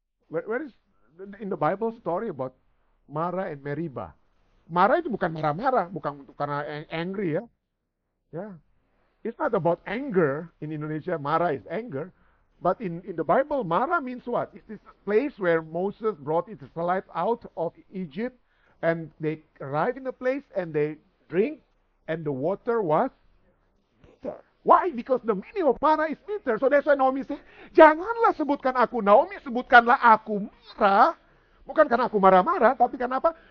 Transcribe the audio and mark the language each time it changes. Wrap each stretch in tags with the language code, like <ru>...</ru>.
<en>Where is in the Bible story about Mara and Meriba?</en> <id>Mara itu bukan marah-marah, bukan untuk karena angry ya. Yeah.</id> <en>It's not about anger in Indonesia. Mara is anger. But in the Bible, Mara means what? It's this place where Moses brought Israelites out of Egypt and they arrive in the place and they drink and the water was bitter. Why? Because the meaning of Mara is bitter. So that's why Naomi said,</en> <id>"Janganlah sebutkan aku Naomi, sebutkanlah aku Mara." Bukan karena aku marah-marah, tapi karena apa?</id>